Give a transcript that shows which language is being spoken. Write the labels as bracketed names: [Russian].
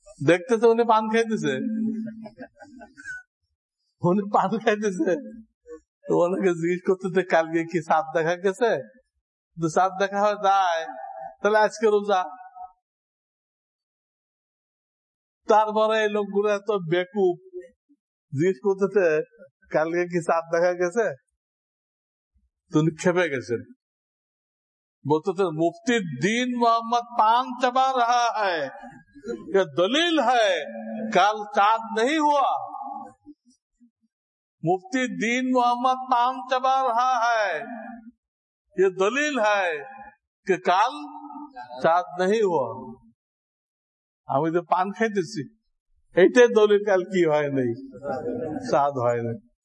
[Bangla] দেখতেছে উনি পান খাইতেছে, উনি পান খাইতেছে, তো ওনাকে জিজ্ঞেস করতেছে কালকে কি চাঁদ দেখা গেছে, যদি চাঁদ দেখা হয় দেয় তাহলে আজকে রোজা। তারপরে এই লোকগুলো এত বেকুব, জিজ্ঞেস করতেছে কালকে কি চাঁদ দেখা গেছে, তুমি খেপে গেছেন, [Hindi] बोलते थे मुफ्ती दीन मोहम्मद पान चबा रहा है, ये दलील है, कल चांद नहीं हुआ। मुफ्ती दीन मोहम्मद पान चबा रहा है, ये दलील है कि कल चांद नहीं हुआ। हम इधर पान खेते [Bangla] এইটে দলিল কাল কি হয় নাই, সাদ হয় নাই।